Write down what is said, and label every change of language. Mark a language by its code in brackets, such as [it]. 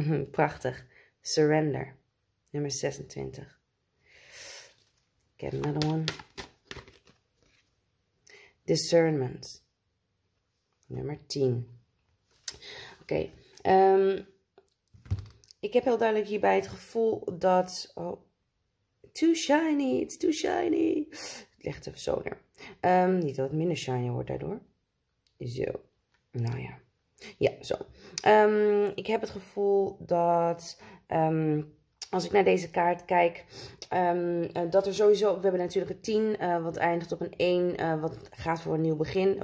[nl] Prachtig. Surrender. Nummer 26. [en] Get another one. [nl] Discernment. Nummer 10. Oké. Ik heb heel duidelijk hierbij het gevoel dat... [en] Oh, too shiny, it's too shiny. [nl] Het ligt even zo neer. Niet dat het minder shiny wordt daardoor. Zo, nou ja. Ja, zo. Ik heb het gevoel dat... als ik naar deze kaart kijk... dat er sowieso... We hebben natuurlijk een 10, wat eindigt op een 1. Wat gaat voor een nieuw begin.